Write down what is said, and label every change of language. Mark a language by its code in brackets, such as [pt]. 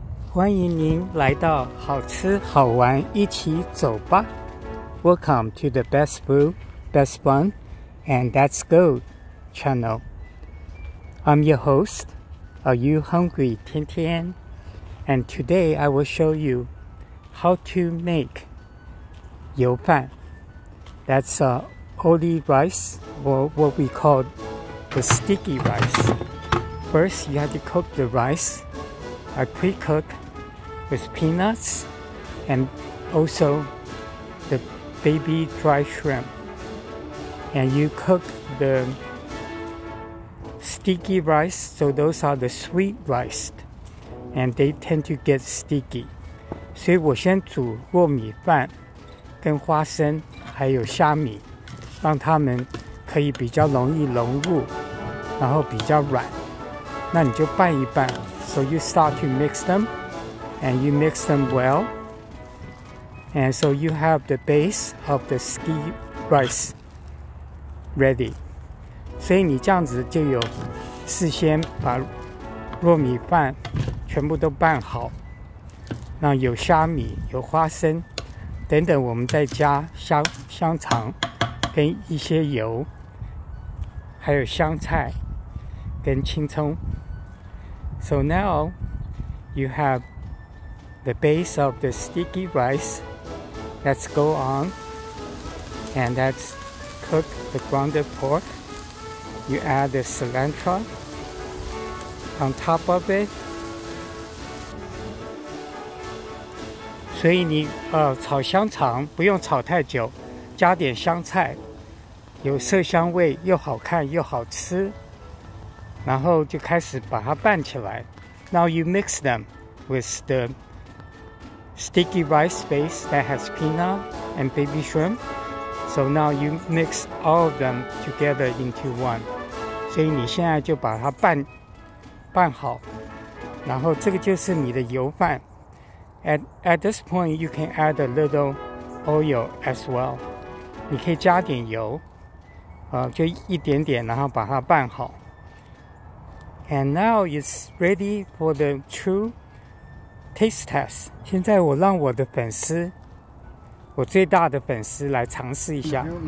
[zh] 欢迎您来到好吃好玩一起走吧。 [en] Welcome to the Best Food, Best Fun, and Let's Go channel. I'm your host, Are You Hungry, TienTien? And today I will show you how to make 油饭. That's oily rice, or what we call the sticky rice. First, you have to cook the rice. I pre-cook with peanuts and also the baby dry shrimp. And you cook the sticky rice, so those are the sweet rice, and they tend to get sticky. [zh] 所以我先煮糯米饭跟花生还有虾米，让它们可以比较容易融入，然后比较软。那你就拌一拌。 [en] So you start to mix them, and you mix them well. And so you have the base of the sticky rice ready. [zh] 所以你这样子就有事先把糯米饭全部都拌好，那有虾米、有花生等等，我们再加香肠跟一些油，还有香菜跟青葱。 [en] So now you have the base of the sticky rice. Let's go on and let's cook the grounded pork. You add the cilantro on top of it. [zh] 所以你炒香肠不用炒太久，加点香菜，有色香味，又好看又好吃。然后就开始把它拌起来。 [en] Now you mix them with the sticky rice base that has peanut and baby shrimp. So now you mix all of them together into one. [zh] 所以你现在就把它拌好。然后这个就是你的油饭。 [en] At this point, you can add a little oil as well. [zh] 你可以加点油，就一点点，然后把它拌好。 [en] And now it's ready for the true taste test. [zh] 现在我让我的粉丝，我最大的粉丝来尝试一下。